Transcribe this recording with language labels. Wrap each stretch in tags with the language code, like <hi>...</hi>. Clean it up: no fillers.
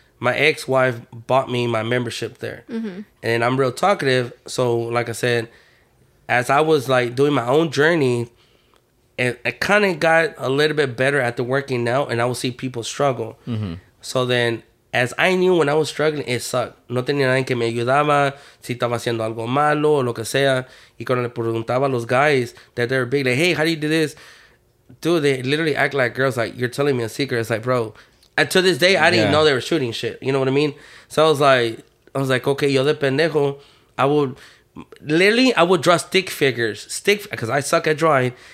<en>My ex-wife bought me my membership there. And I'm real talkative. So, like I said, as I was, like, doing my own journey, And I kind of got a little bit better at the working out, and I would see people struggle. Mm-hmm. So then, as I knew when I was struggling, it sucked.</en> <es>No tenía nadie que me ayudaba, si estaba haciendo algo malo o lo que sea.</es> <en>Y cuando le preguntaba a los guys that they were big, like, hey, how do you do this? Dude, they literally act like girls, like, you're telling me a secret. It's like, bro, and to this day, I didn't know they were shooting shit. You know what I mean? So I was like, okay,</en> <es>yo de pendejo,</es> <en>I would draw stick figures, because I suck at drawing.</en>